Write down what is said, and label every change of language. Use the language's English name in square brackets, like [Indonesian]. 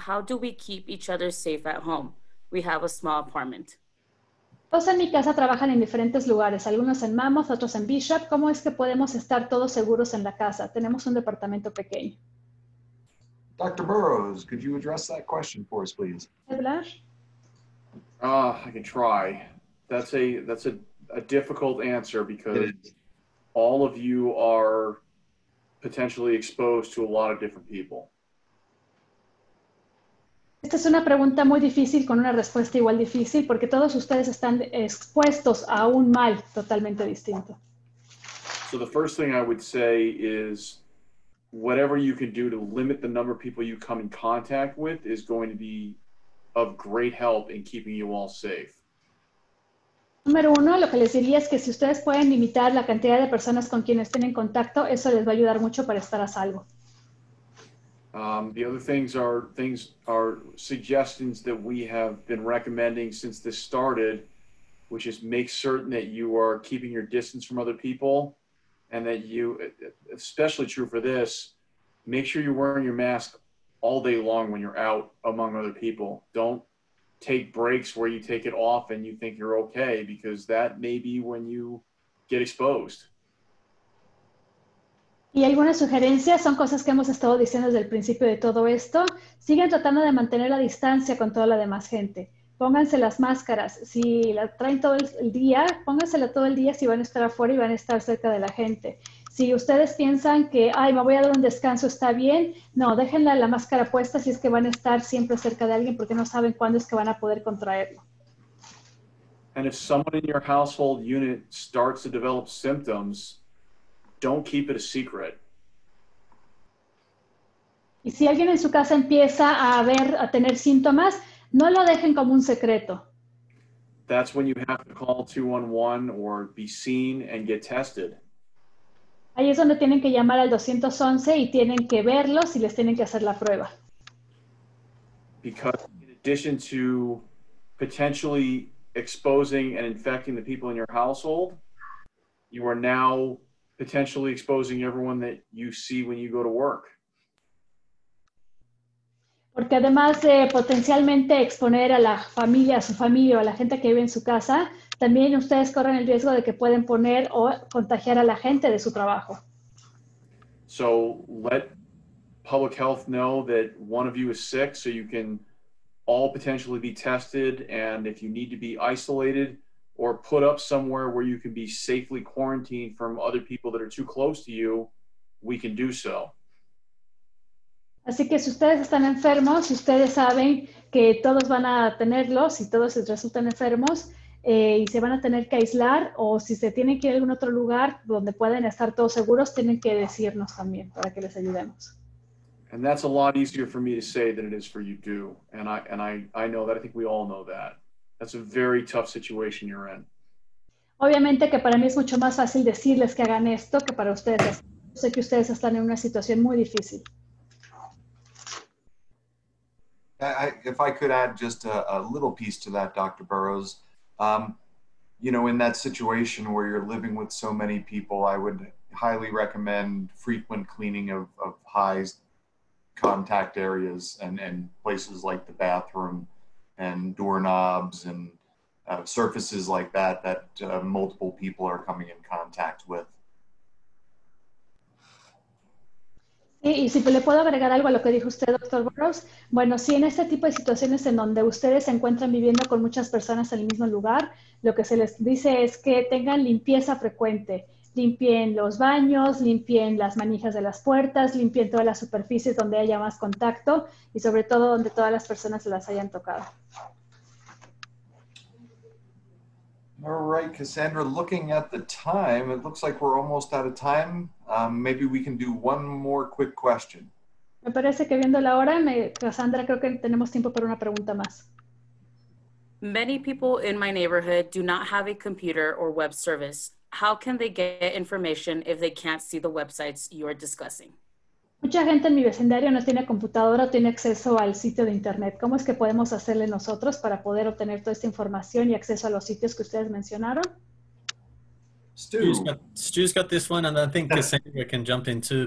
[English] How do we keep each other safe at home? We have a small apartment. [Spanish] Todos en mi casa trabajan en diferentes lugares, algunos en Mammoth, otros en Bishop. ¿Cómo es que podemos estar todos seguros en la casa? Tenemos un departamento pequeño. [English] Dr. Burrows, could you address that question for us, please? I can try. That's a difficult answer because all of you are potentially exposed to a lot of different people. [Spanish] Esta es una pregunta muy difícil con una respuesta igual difícil porque todos ustedes están expuestos a un mal totalmente distinto. [English] So the first thing I would say is whatever you can do to limit the number of people you come in contact with is going to be of great help in keeping you all safe. [Spanish] Número uno, lo que les diría es que si ustedes pueden limitar la cantidad de personas con quienes estén en contacto, eso les va a ayudar mucho para estar a salvo. [English] The other things are suggestions that we have been recommending since this started, which is make certain that you are keeping your distance from other people, and that you, especially true for this, make sure you're wearing your mask all day long when you're out among other people. Don't take breaks where you take it off and you think you're okay, because that may be when you get exposed. [Spanish] Y algunas sugerencias son cosas que hemos estado diciendo desde el principio de todo esto. Siguen tratando de mantener la distancia con toda la demás gente. Pónganse las máscaras. Si la traen todo el día, pónganselas todo el día si van a estar afuera y van a estar cerca de la gente. Si ustedes piensan que, ay, me voy a dar un descanso, está bien. No, déjenla la máscara puesta si es que van a estar siempre cerca de alguien porque no saben cuándo es que van a poder contraerlo. [English] And if someone in your household unit starts to develop symptoms, don't keep it a secret. [Spanish] Y si alguien en su casa empieza a tener síntomas, no lo dejen como un secreto. [English] That's when you have to call 211 or be seen and get tested. [Spanish] Ahí es donde tienen que llamar al 211 y tienen que verlos y les tienen que hacer la prueba. [English] Because in addition to potentially exposing and infecting the people in your household, you are now potentially exposing everyone that you see when you go to work. [Spanish] Porque además de potencialmente exponer a la familia, a su familia o a la gente que vive en su casa, también ustedes corren el riesgo de que pueden poner o contagiar a la gente de su trabajo. [English] So let public health know that one of you is sick so you can all potentially be tested, and if you need to be isolated or put up somewhere where you can be safely quarantined from other people that are too close to you, we can do so. [Spanish] Así que si ustedes están enfermos, si ustedes saben que todos van a tenerlo, si todos resultan enfermos y se van a tener que aislar, o si se tienen que ir a algún otro lugar donde pueden estar todos seguros, tienen que decirnos también para que les ayudemos. [English] And that's a lot easier for me to say than it is for you to do. And I know that, I think we all know that. That's a very tough situation you're in. [Spanish] Obviamente que para mí es mucho más fácil decirles que hagan esto que para ustedes. Yo sé que ustedes están en una situación muy difícil. [English] If I could add just a little piece to that, Dr. Burrows, you know, in that situation where you're living with so many people, I would highly recommend frequent cleaning of high contact areas and places like the bathroom and doorknobs and surfaces like that multiple people are coming in contact with. [Spanish] Sí, y si le puedo agregar algo a lo que dijo usted, Dr. Burrows, bueno, sí, en este tipo de situaciones en donde ustedes se encuentran viviendo con muchas personas en el mismo lugar, lo que se les dice es que tengan limpieza frecuente, limpien los baños, limpien las manijas de las puertas, limpien todas las superficies donde haya más contacto y sobre todo donde todas las personas se las hayan tocado. [English] All right, Cassandra, looking at the time, it looks like we're almost out of time. Maybe we can do one more quick question. [Spanish] Me parece que viendo la hora, Cassandra, creo que tenemos tiempo para una pregunta más. [English] Many people in my neighborhood do not have a computer or web service. How can they get information if they can't see the websites you are discussing? [Spanish] Mucha gente en mi vecindario no tiene computadora, tiene acceso al sitio de internet. ¿Cómo es que podemos hacerle nosotros para poder obtener toda esta información y acceso a los sitios que ustedes mencionaron? [English] Stu's got this one, and I think Cassandra can jump in too.